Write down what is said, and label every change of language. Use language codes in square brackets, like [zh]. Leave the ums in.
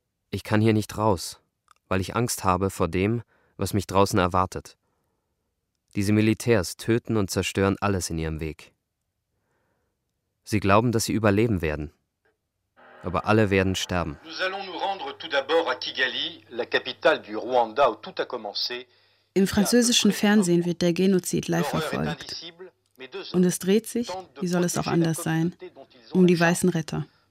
[de] Ich kann hier nicht raus, weil ich Angst habe vor dem, was mich draußen erwartet. Diese Militärs töten und zerstören alles in ihrem Weg. Sie glauben, dass sie überleben werden, aber alle werden sterben. [fr] Nous allons nous rendre tout Kigali, la capitale du Rwanda où tout a commencé. [de] Im französischen Fernsehen wird der Genozid live verfolgt. Und es dreht sich, wie soll es auch anders sein, um die weißen Retter.